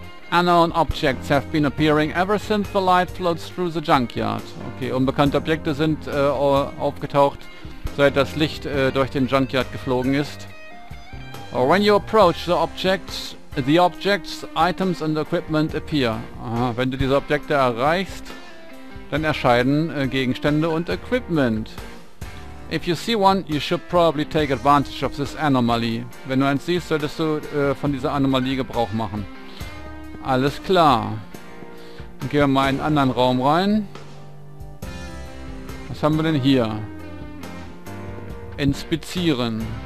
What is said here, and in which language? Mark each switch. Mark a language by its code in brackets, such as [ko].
[en] Unknown objects have been appearing ever since the light floats through the junkyard. [de] Okay, unbekannte Objekte sind aufgetaucht, seit das Licht durch den Junkyard geflogen ist. [en] Or when you approach the objects, items and equipment appear. [de] Aha, wenn du diese Objekte erreichst, dann erscheinen Gegenstände und Equipment. [en] If you see one, you should probably take advantage of this anomaly. [de] Wenn du eins siehst, solltest du von dieser Anomalie Gebrauch machen. Alles klar. Dann gehen wir mal in einen anderen Raum rein. Was haben wir denn hier? Inspizieren.